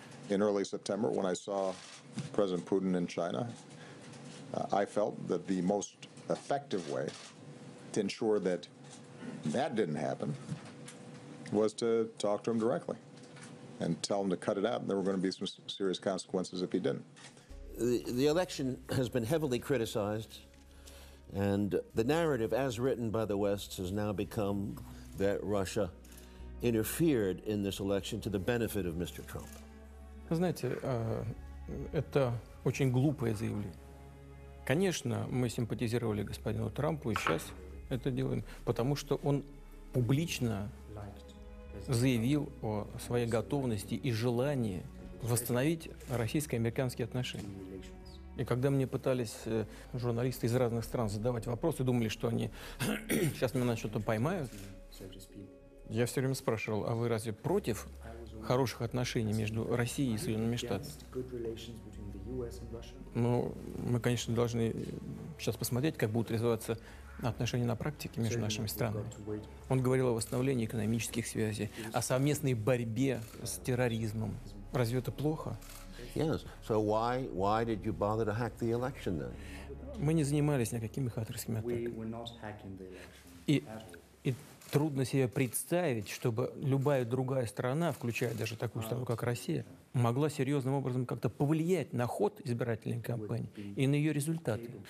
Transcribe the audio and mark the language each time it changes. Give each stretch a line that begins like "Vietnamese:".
English: In early September, when I saw President Putin in China, I felt that the most effective way to ensure that that didn't happen was to talk to him directly and tell him to cut it out, and there were going to be some serious consequences if he didn't. The election has been heavily criticized, and the narrative as written by the West has now become that Russia interfered in this election to the benefit of Mr. Trump.
Russian: Вы знаете, это очень глупое заявление. Конечно, мы симпатизировали господину Трампу, и сейчас это делаем, потому что он публично заявил о своей готовности и желании восстановить российско-американские отношения. И когда мне пытались журналисты из разных стран задавать вопросы, думали, что они сейчас меня на что-то поймают, я все время спрашивал, а вы разве против хороших отношений между Россией и Соединенными Штатами? Ну, мы, конечно, должны сейчас посмотреть, как будут развиваться отношения на практике между нашими странами. Он говорил о восстановлении экономических связей, о совместной борьбе с терроризмом. Разве это плохо?
English: Yes. So why did you bother to hack the election then?
Russian: Мы не занимались никакими хакерскими атаками. И трудно себе представить, чтобы любая другая страна, включая даже такую страну, как Россия, могла серьезным образом как-то повлиять на ход избирательной кампании и на ее результаты.